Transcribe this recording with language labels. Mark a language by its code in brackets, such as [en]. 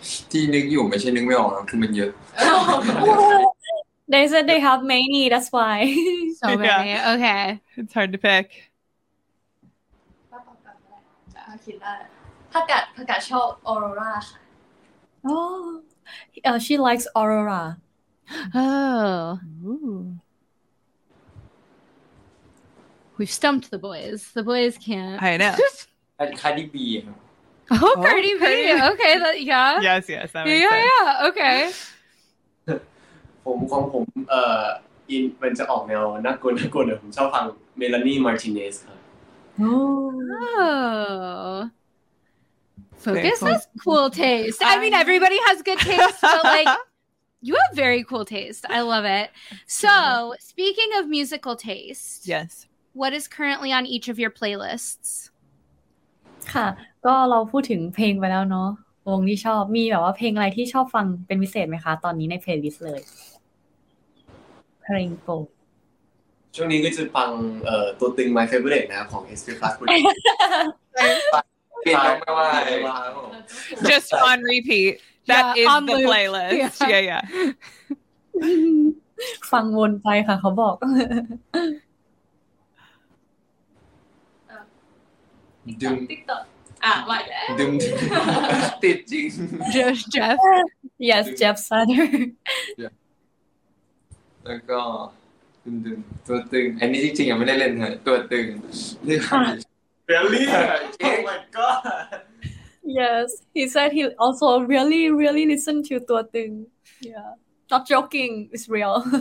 [th] ที่นึกอยู่ไม่ใช่นึกไม่ออกนะคือมันเยอะ [en] They said they have many, that's why. So many, yeah. Okay. It's hard to pick. Oh, she likes Aurora. Oh. Ooh. We've stumped the boys. The boys can't. I know. Cardi B. Oh, Cardi B. Okay, that, yeah. Yes, yes. That makes sense. Yeah, okay. [th] ผมของผมอินมันจะออกแนวน่ากลัวน่ากลัวเนี่ยผมชอบฟังเมลานี่มาร์ติเนสครับ [en] โอ้ focus has cool taste I mean everybody has good taste but like you have very cool taste I love it so speaking of musical taste yes what is currently on each of your playlists [th] ค่ะก็เราพูดถึงเพลงไปแล้วเนาะวงที่ชอบมีแบบว่าเพลงอะไรที่ชอบฟังเป็นพิเศษไหมคะตอนนี้ในเพลย์ลิสต์เลยเพลงโปรด ช่วงนี้ก็จะฟังตัวตึง My Favorite นะของ SP Plus ปุ๊ดฟังไม่ว่าไม่ว่า [en] just on repeat that yeah, is on the playlist yeah yeah, yeah. [th] ฟังวนไปค่ะเขาบอก ดึง อ่ะ ไม่ได้ติดจริง [en] Jeff yes Jeff Sutter [th] แล้วก็ดึงดึงตัวตึงอันนี้จริงๆยังไม่ได้เล่นเหรอตัวตึงเรื่องอะไ [en] ร Really oh my god yes he said he also really really listen to ตัวตึง yeah not joking it's real